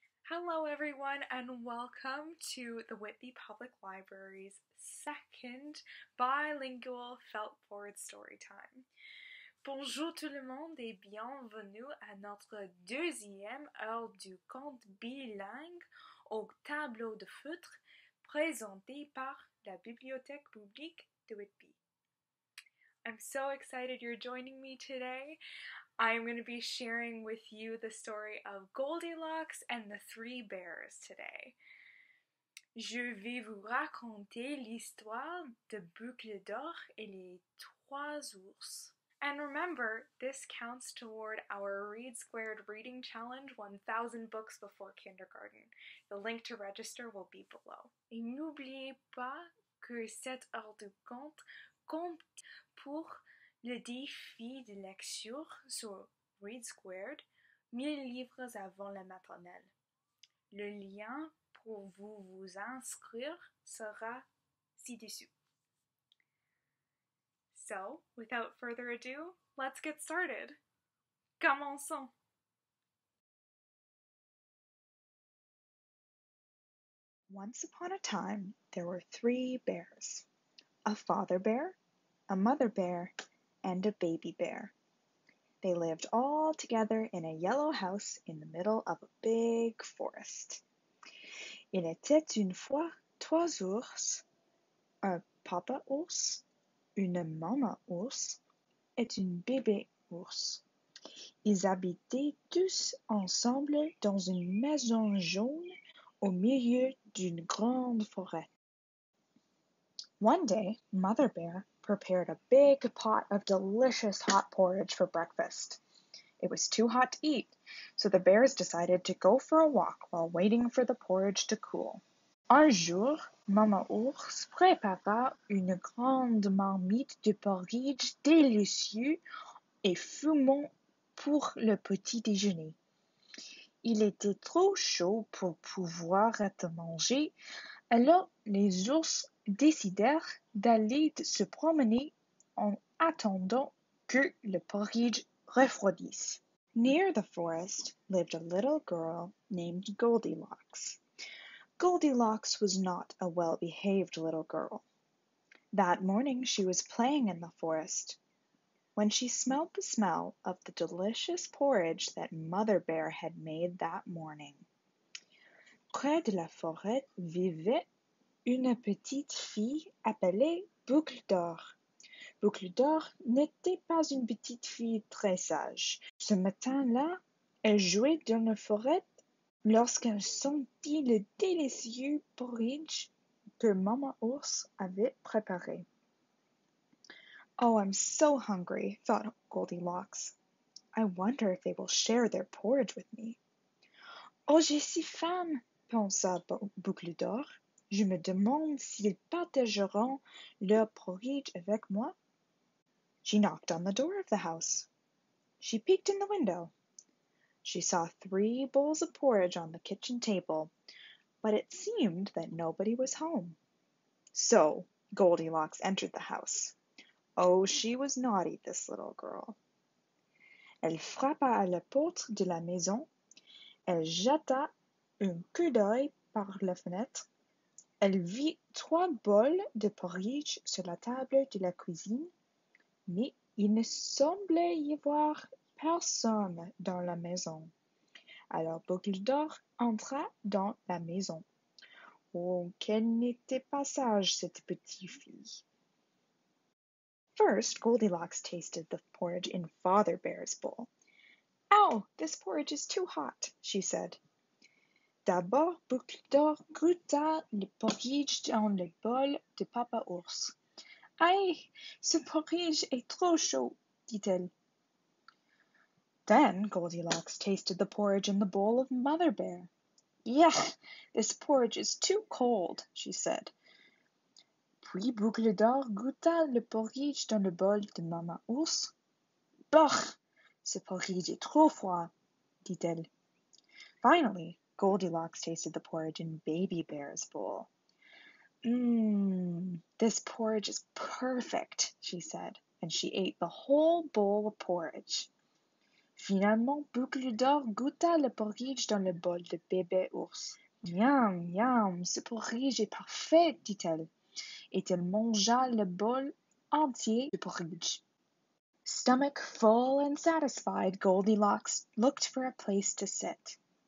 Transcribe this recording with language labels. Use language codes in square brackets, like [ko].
[en] Hello everyone and welcome to the Whitby Public Library's second bilingual felt board story time. [fr] Bonjour tout le monde et bienvenue à notre deuxième heure du conte bilingue au tableau de feutre présenté par la bibliothèque publique de Whitby. [en] I'm so excited you're joining me today. I'm going to be sharing with you the story of Goldilocks and the three bears today. [fr] Je vais vous raconter l'histoire de Boucles d'or et les trois ours. [en] And remember, this counts toward our Read Squared reading challenge, 1,000 books before kindergarten. The link to register will be below. [fr] Et n'oubliez pas que cette heure du conte compte pour le défi de lecture sur Read Squared, 1000 livres avant la maternelle. Le lien pour vous inscrire sera ci-dessous. [en] So, without further ado, let's get started. [fr] Commençons! [en] Once upon a time, there were three bears. A father bear, a mother bear, and a baby bear. They lived all together in a yellow house in the middle of a big forest. [fr] Il était une fois trois ours, un papa ours, une maman ours et un bébé ours. Ils habitaient tous ensemble dans une maison jaune au milieu d'une grande forêt. [en] One day, Mother Bear prepared a big pot of delicious hot porridge for breakfast. It was too hot to eat, so the bears decided to go for a walk while waiting for the porridge to cool. [fr] Un jour, Mama Ours prépara une grande marmite de porridge délicieux et fumant pour le petit déjeuner. Il était trop chaud pour pouvoir être mangé, alors les ours décidèrent d'aller se promener en attendant que le porridge refroidisse. [en] Near the forest lived a little girl named Goldilocks. Goldilocks was not a well-behaved little girl. That morning she was playing in the forest when she smelled the smell of the delicious porridge that Mother Bear had made that morning. [fr] Près de la forêt vivait une petite fille appelée Boucle d'or. Boucle d'or n'était pas une petite fille très sage. Ce matin-là, elle jouait dans la forêt lorsqu'elle sentit le délicieux porridge que Maman Ours avait préparé. [en] Oh, I'm so hungry, thought Goldilocks. I wonder if they will share their porridge with me. [fr] Oh, j'ai si faim, pensa Boucle d'or. Je me demande s'ils partageront leur porridge avec moi. [en] She knocked on the door of the house. She peeked in the window. She saw three bowls of porridge on the kitchen table, but it seemed that nobody was home. So Goldilocks entered the house. Oh, she was naughty, this little girl. [fr] Elle frappa à la porte de la maison. Elle jeta un coup d'œil par la fenêtre. Elle vit trois bols de porridge sur la table de la cuisine, mais il ne semblait y avoir personne dans la maison. Alors Boucle d'or entra dans la maison. Oh, qu'elle n'était pas sage, cette petite fille. [en] First, Goldilocks tasted the porridge in Father Bear's bowl. Ow, this porridge is too hot, she said. [fr] D'abord, Boucle d'or goûta le porridge dans le bol de Papa Ours. Aïe, ce porridge est trop chaud, dit-elle. [en] Then, Goldilocks tasted the porridge in the bowl of Mother Bear. Yuck, this porridge is too cold, she said. [fr] Puis, Boucle d'or goûta le porridge dans le bol de Mama Ours. Bah, ce porridge est trop froid, dit-elle. [en] Finally, Goldilocks tasted the porridge in Baby Bear's bowl. This porridge is perfect, she said, and she ate the whole bowl of porridge. [fr] Finalement, Boucle d'or goûta le porridge dans le bol de bébé ours. Miam, miam, ce porridge est parfait, dit-elle. Et elle mangea le bol entier de porridge. [en] Stomach full and satisfied, Goldilocks looked for a place to sit.